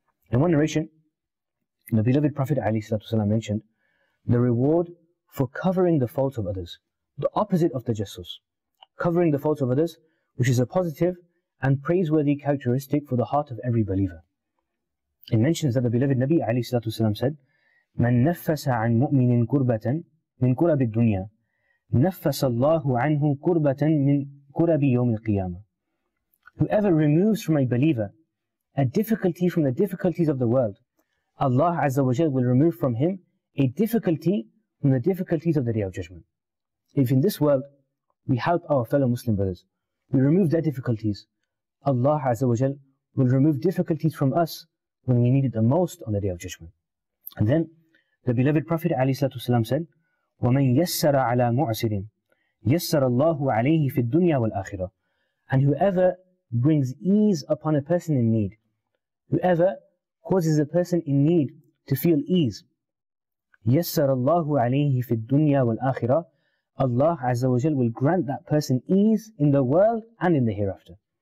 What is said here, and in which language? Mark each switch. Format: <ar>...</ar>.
<en>In one narration, the beloved Prophet ﷺ mentioned the reward for covering the faults of others, the opposite of tajassus, covering the faults of others, which is a positive and praiseworthy characteristic for the heart of every believer. It mentions that the beloved Nabi ﷺ said,</en> <ar>مَنْ نَفَّسَ عَنْ مُؤْمِنٍ كُرْبَةً مِنْ كُرَبِ الدُّنْيَا نَفَّسَ اللَّهُ عَنْهُ كُرْبَةً مِنْ كُرَبِ يَوْمِ الْقِيَامَةِ.</ar> <en>Whoever removes from a believer a difficulty from the difficulties of the world, Allah Azza wa Jal will remove from him a difficulty from the difficulties of the Day of Judgment. If in this world we help our fellow Muslim brothers, we remove their difficulties, Allah Azza wa Jal will remove difficulties from us when we need it the most on the Day of Judgment. And then the beloved Prophet ﷺ said,</en> <ar>وَمَنْ يَسَّرَ عَلَىٰ مُعْسِرٍ يَسَّرَ اللَّهُ عَلَيْهِ فِي الدُّنْيَا وَالْآخِرَةِ.</ar> <en>And whoever brings ease upon a person in need, whoever causes a person in need to feel ease,</en> <ar>يَسَّرَ اللَّهُ عَلَيْهِ فِي الدُّنْيَا وَالْآخِرَةِ,</ar> <en>Allah Azza wa Jal will grant that person ease in the world and in the hereafter.</en>